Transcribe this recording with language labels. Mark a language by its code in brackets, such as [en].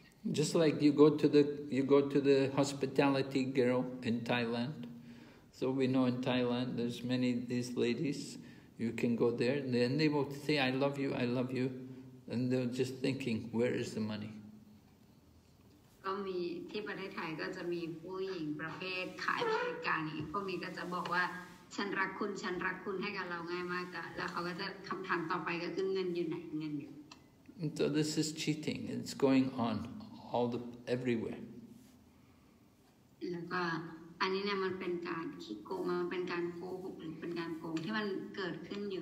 [en] Just like you go to the hospitality girl in Thailand. So we know in Thailand there's many of these ladies. You can go there and then they will say, I love you. And they're just thinking, where is the money? [th] ก็มีที่ประเทศไทยก็จะมีผู้หญิงประเภทขายบริการนี้พวกนี้ก็จะบอกว่าฉันรักคุณให้กับเราง่ายมากแล้วเขาก็จะคำถามต่อไปก็คือเงินอยู่ [en] So this is cheating. It's going on all the everywhere. [th] แล้วก็อันนี้เนี่ยมันเป็นการขี้โกงมันเป็นการโกหกหรือเป็นการโกงที่มันเกิดขึ้นอยู